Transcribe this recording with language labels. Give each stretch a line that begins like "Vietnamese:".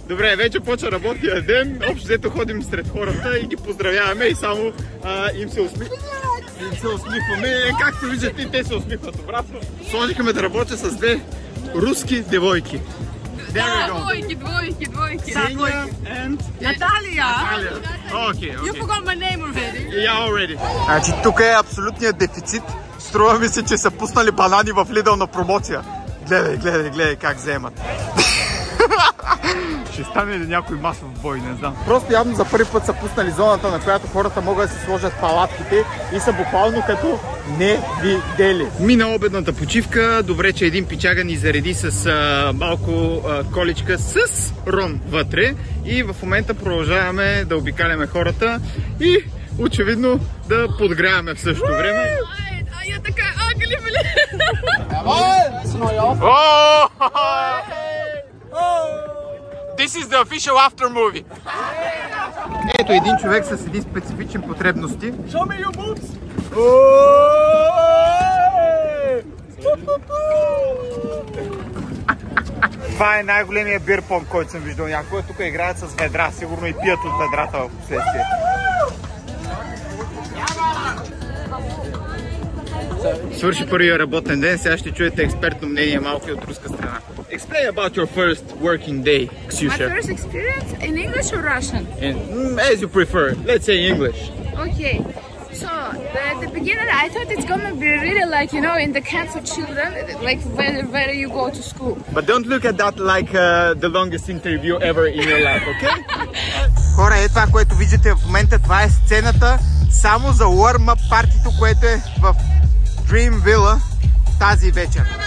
Bulgarian: Добре, вече почва работния ден, общо взето ходим сред хората и ги поздравяваме и само им се усмихваме. Както виждате, те се усмихват обратно. Сложихме да работя с две руски девойки. Двойки. Наталия!
English: Окей, окей. You forgot my name already. Yeah, already.
Bulgarian: Значи тук е абсолютният дефицит. Струва ми се, че са пуснали банани в Lidl на промоция. Гледай как вземат. Ще стане ли някой масов бой, не знам. Просто явно за първи път са пуснали зоната, на която хората могат да си сложат палатките и са буквално като не видели. Мина обедната почивка, добре, че един пичага ни зареди с малко количка с рон вътре и в момента продължаваме да обикаляме хората и очевидно да подгряваме в същото време. Ай, така, агли, бле!
English: This is the official after movie.
Bulgarian: Ето един човек с един специфичен потребности.
English: Show me your boobs.
Bulgarian: Това е най-големия beer pong, който съм виждал някога. Тук играят с ведра, сигурно и пият от ведрата в последствие. Свърши първия работен ден, сега ще чуете експертно мнение малко и от руска страна.
English: Explain about your first working day, Ksusha. My first experience in English or Russian? As you prefer, let's say English. Okay, so at the beginning I thought it's gonna be really like, you know, in the camp for children, like where you go to school. But don't look at that like the longest interview ever in your life, okay?
Bulgarian: Хора, е това, което виждате в момента, това е сцената само за warm-up партито, което е в Dream Villa тази вечер.